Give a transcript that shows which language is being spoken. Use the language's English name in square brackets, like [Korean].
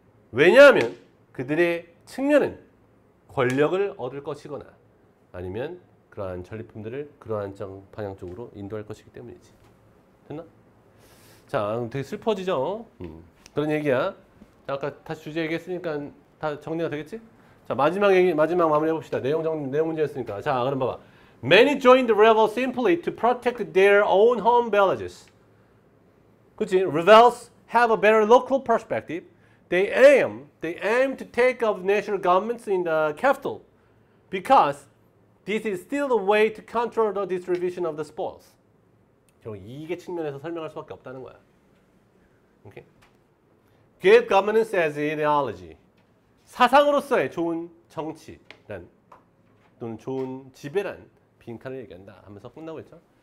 [Korean] 왜냐하면 그들의 측면은 권력을 얻을 것이거나 아니면 그러한 전리품들을 그러한 방향 쪽으로 인도할 것이기 때문이지. 됐나? 자, 되게 슬퍼지죠? 그런 얘기야. 자, 아까 다시 주제 얘기했으니까 다 정리가 되겠지? 자, 마지막 얘기, 마지막 마무리 해봅시다. 내용 정리, 내용 문제였으니까. 자, 그럼 봐봐. [English] Many joined the rebels simply to protect their own home villages. 그치? Rebels have a better local perspective. They aim to take up national governments in the capital because this is still the way to control the distribution of the spoils. [Korean] 결국 이익의 측면에서 설명할 수밖에 없다는 거야. [English] Okay? Good governance as ideology. [Korean] 사상으로서의 좋은 정치란 또는 좋은 지배란 빈칸을 얘기한다 하면서 끝나고 있죠.